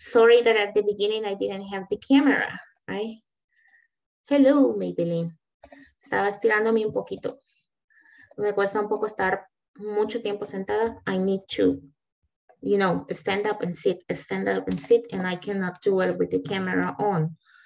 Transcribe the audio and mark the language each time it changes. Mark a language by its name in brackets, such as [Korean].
[English] Sorry that at the beginning I didn't have the camera, right? [Spanish] Hello, Maybelline. Estaba estirándome un poquito. Me cuesta un poco estar mucho tiempo sentada. [English] I need to, you know, stand up and sit, and I cannot do it with the camera on.